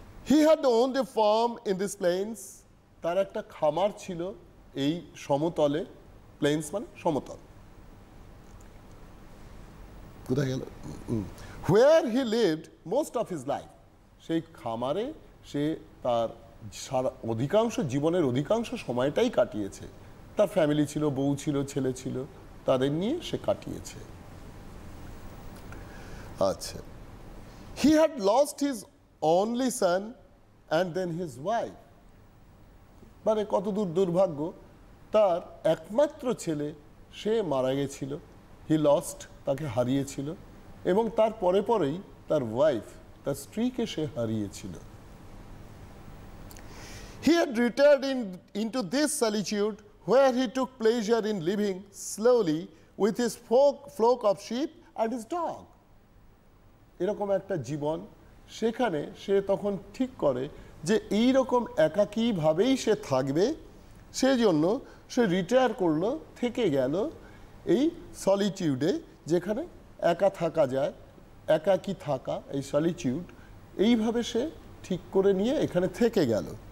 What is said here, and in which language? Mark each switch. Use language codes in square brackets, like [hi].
[en] he had owned a farm in this plains, [bn] তার একটা খামার ছিল এই সমতলে, প্লেন্স মানে সমতল, কোথায় গেল, [en] where he lived most of his life, [bn] সেই খামারে সে তার সারা অধিকাংশ জীবনের অধিকাংশ সময়টাই কাটিয়েছে, তার ফ্যামিলি ছিল, বউ ছিল, ছেলে ছিল, তাদের নিয়ে সে কাটিয়েছে। আচ্ছা, [en] He had lost his only son and then his wife. [bn] মানে কতদূর দুর্ভাগ্য, তার একমাত্র ছেলে সে মারা গেছিল, [en] he lost, [bn] তাকে হারিয়েছিল, এবং তার পরে পরেই তার ওয়াইফ, তার স্ত্রীকে সে হারিয়েছিল। [en] He had retired into this solitude where he took pleasure in living slowly with his flock of sheep and his dog. [bn] এরকম একটা জীবন সেখানে সে তখন ঠিক করে যে এইরকম একাকীভাবেই সে থাকবে, সেজন্য সে রিটায়ার করল, থেকে গেল এই সলিটিউডে যেখানে একা থাকা যায়, একাকী থাকা, এই সলিটিউড এইভাবে সে ঠিক করে নিয়ে এখানে থেকে গেল।